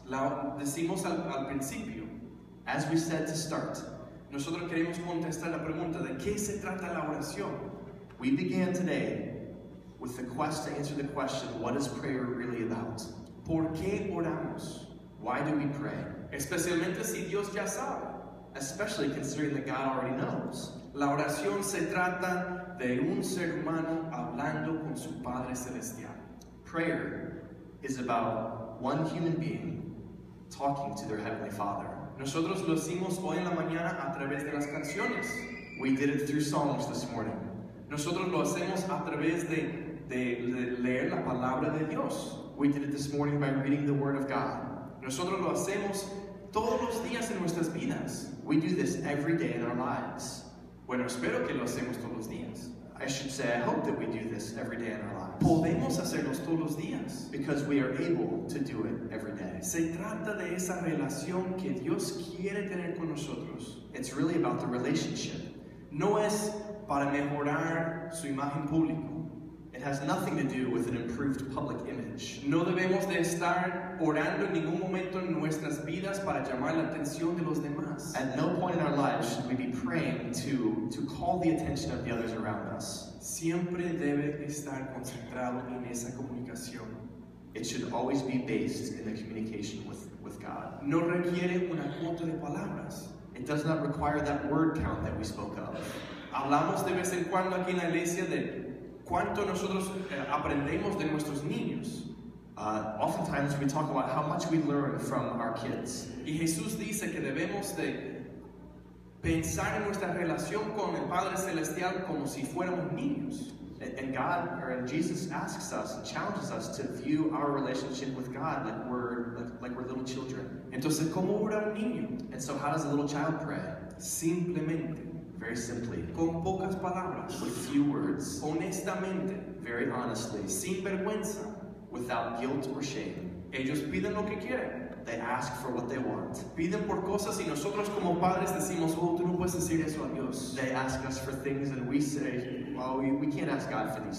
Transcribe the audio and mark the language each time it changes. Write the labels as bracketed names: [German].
[Spanish] Lo decimos al principio. [English] As we said to start, [Spanish] nosotros queremos contestar la pregunta de qué se trata la oración. [English] We began today with the quest to answer the question, what is prayer really about? [Spanish] ¿Por qué oramos? [English] Why do we pray? [Spanish] Especialmente si Dios ya sabe. [English] Especially considering that God already knows. [Spanish] La oración se trata de un ser humano hablando con su Padre Celestial. [English] Prayer is about one human being talking to their Heavenly Father. [Spanish] Nosotros lo hicimos hoy en la mañana a través de las canciones. [English] We did it through songs this morning. [Spanish] Nosotros lo hacemos a través de leer la palabra de Dios. [English] We did it this morning by reading the Word of God. [Spanish] Nosotros lo hacemos todos los días en nuestras vidas. [English] We do this every day in our lives. [Spanish] Bueno, espero que lo hacemos todos los días. [English] I should say, I hope that we do this every day in our lives. [Spanish] Podemos hacerlos todos los días. [English] Because we are able to do it every day. [Spanish] Se trata de esa relación que Dios quiere tener con nosotros. [English] It's really about the relationship. [Spanish] No es para mejorar su imagen pública. [English] It has nothing to do with an improved public image. [Spanish] No debemos de estar orando en ningún momento en nuestras vidas para llamar la atención de los demás. [English] At no point in our lives should we be praying to call the attention of the others around us. [Spanish] Siempre debe estar concentrado en esa comunicación. [English] It should always be based in the communication with God. [Spanish] No requiere una cuota de palabras. [English] It does not require that word count that we spoke of. [Spanish] Hablamos de vez en cuando aquí en la iglesia de cuánto nosotros aprendemos de nuestros niños. [English] Oftentimes we talk about how much we learn from our kids. [Spanish] Y Jesús dice que debemos de pensar en nuestra relación con el Padre Celestial como si fuéramos niños. [English] And God, or Jesus asks us, challenges us to view our relationship with God like we're little children. [Spanish] Entonces, ¿cómo ora un niño? [English] And so how does a little child pray? [Spanish] Simplemente. [English] Very simply. [Spanish] Con pocas palabras. [English] With few words. [Spanish] Honestamente. [English] Very honestly. [Spanish] Sin vergüenza. [English] Without guilt or shame. [Spanish] Ellos piden lo que quieren. [English] They ask for what they want. [Spanish] Piden por cosas y nosotros como padres decimos, oh, tú no puedes decir eso a Dios. [English] They ask us for things and we say, well, we can't ask God for these.